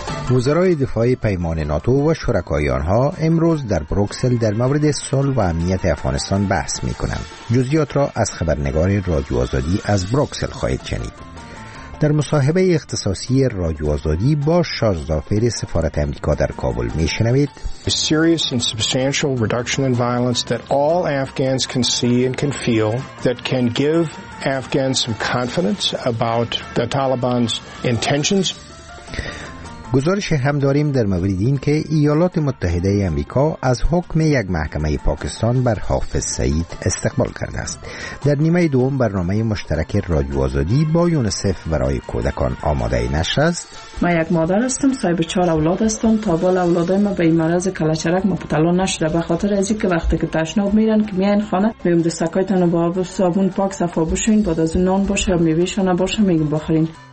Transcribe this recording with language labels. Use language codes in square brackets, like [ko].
[fa] وزرای دفاع پیمان ناتو و شرکای آنها امروز در بروکسل در مورد صلح و امنیت افغانستان بحث می کنند. جزئیات را از خبرنگار رادیو آزادی از بروکسل خواهید شنید. در مصاحبه اختصاصی رادیو آزادی با شازدافر سفارت آمریکا در کابل می شنوید: [en] A serious and substantial reduction in violence that all Afghans can see and can feel that can give Afghans some confidence about the Taliban's intentions. [fa] گزارش هم داریم در مورد این که ایالات متحده آمریکا از حکم یک محکمه پاکستان بر حافظ سعید استقبال کرده است. در نیمه دوم برنامه مشترک رادیو آزادی با یونسف برای کودکان آماده نشر است. من یک مادر هستم، صاحب 4 اولاد هستم. تا بال اولادای ما به این مرض کلچرک مبتلا نشده، به خاطر از اینکه وقتی که تشنه میرن که میان خانه میگم دستکایتون با آب صابون پاک صفا بشین، بعد از نان باشه میوه شنا باشه میگم بخورین.